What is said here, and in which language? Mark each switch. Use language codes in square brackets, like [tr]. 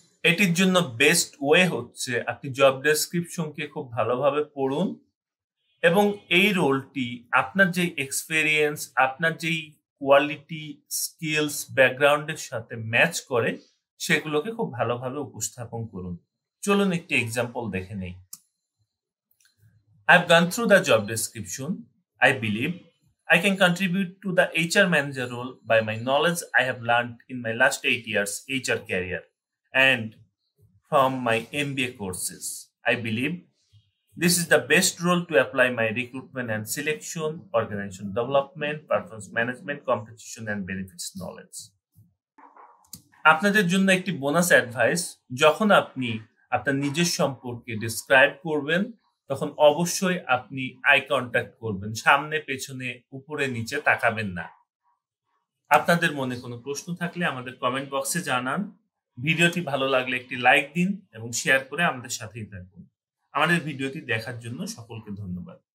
[bn] এটির জন্য best way হচ্ছে আপনি জব ডেসক্রিপশনকে খুব ভালোভাবে পড়ুন, এবং এই রোলটি আপনার যেই এক্সপিরিয়েন্স, আপনার যেই কোয়ালিটি, স্কিলস, ব্যাকগ্রাউন্ডের সাথে ম্যাচ করে সেগুলোকে খুব ভালোভাবে উপস্থাপন করুন। চলুন একটি এক্সাম্পল দেখে নেই। [en] I've gone through the job description. I believe I can contribute to the HR manager role by my knowledge I have learned in my last 8 years HR career and from my MBA courses. I believe this is the best role to apply my recruitment and selection, organization development, performance management, compensation and benefits knowledge. [bn] আপনাদের জন্য একটি bonus advice, যখন আপনি আপনার নিজের সম্পর্কে describe করবেন তখন অবশ্যই আপনি আই কন্টাক্ট করবেন, সামনে পেছনে উপরে নিচে তাকাবেন না। আপনাদের মনে কোনো প্রশ্ন থাকলে আমাদের কমেন্ট বক্সে জানান, ভিডিওটি ভালো লাগলে একটি লাইক দিন এবং শেয়ার করে আমাদের সাথেই থাকুন। আমাদের ভিডিওটি দেখার জন্য সকলকে ধন্যবাদ।